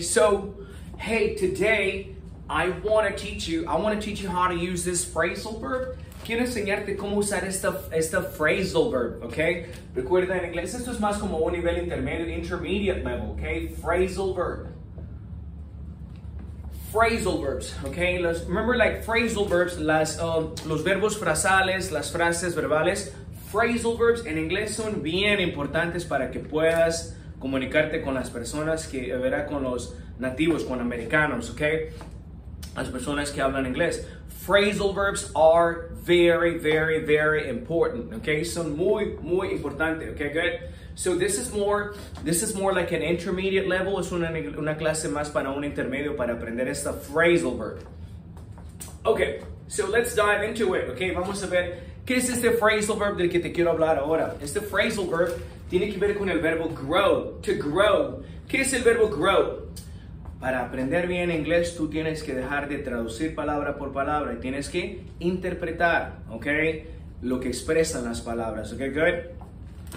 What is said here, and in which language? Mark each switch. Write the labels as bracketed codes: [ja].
[en] So, hey, today I want to teach you how to use this phrasal verb. [es] Quiero enseñarte cómo usar esta phrasal verb, okay? Recuerda, en inglés esto es más como un nivel intermedio, [en] intermediate level, [es] okay? [en] Phrasal verb. Phrasal verbs, okay? Remember, like phrasal verbs, [es] los verbos frasales, las frases verbales. Phrasal verbs en inglés son bien importantes para que puedas comunicarte con las personas que verá con los nativos, con americanos, okay? Las personas que hablan inglés. [en] Phrasal verbs are very, very, very important, okay? [es] Son muy, muy importantes, okay? Good. [en] So this is more like an intermediate level. [es] Es una clase más para un intermedio para aprender esta phrasal verb. [en] Okay, so let's dive into it, okay? [es] Vamos a ver, ¿qué es este phrasal verb del que te quiero hablar ahora? Este phrasal verb tiene que ver con el verbo grow, to grow. ¿Qué es el verbo grow? Para aprender bien inglés, tú tienes que dejar de traducir palabra por palabra y tienes que interpretar, okay, lo que expresan las palabras, okay, good?